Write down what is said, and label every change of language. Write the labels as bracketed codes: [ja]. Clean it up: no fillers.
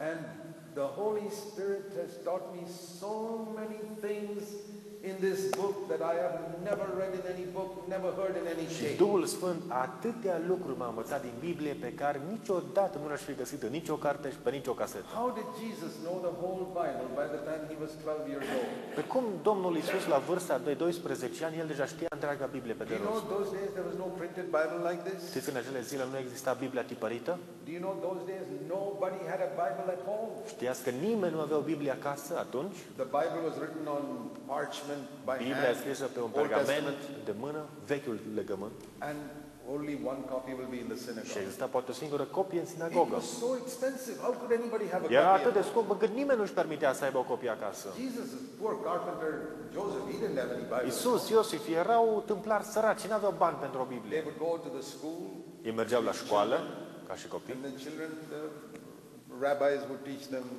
[en] And the Holy Spirit has taught me so many things in this book that I have never read in any book, never heard in any shape. [ro] Și Duhul Sfânt atâtea lucruri m-a învățat din Biblie pe care niciodată nu le-aș fi găsit în nicio carte și pe nicio casetă. [en] How did Jesus know the whole Bible by the time he was 12 years old? [ro] Pe cum Domnul Iisus la vârsta de 12 ani el deja știa întreaga Biblie pe de rost? [en] You know, those days there was no printed Bible like this. [ro] Știți că în acele zile nu exista Biblia tipărită? [en] Do you know those days nobody had a Bible at home? [ro] Știați că nimeni nu avea o Biblie acasă atunci? [en] The Bible was written on parchment. [ro] Biblia scrisă pe un pergament de mână, vechiul legământ. [en] And only one copy will be in the synagogue. [ro] Și exista poate o singură copie în sinagogă. [en] It was so expensive. How could anybody have a copy? [ro] Era atât de scump, că nimeni nu-și permitea să aibă o copie acasă. [en] Jesus, poor carpenter Joseph, he didn't have any Bible. [ro] Iisus, Iosif, erau tâmplari săraci, nu aveau bani pentru o Biblie. [en] They would go to the school. [ro] Ei mergeau la școală ca și copii. [en] And the children, the rabbis would teach them.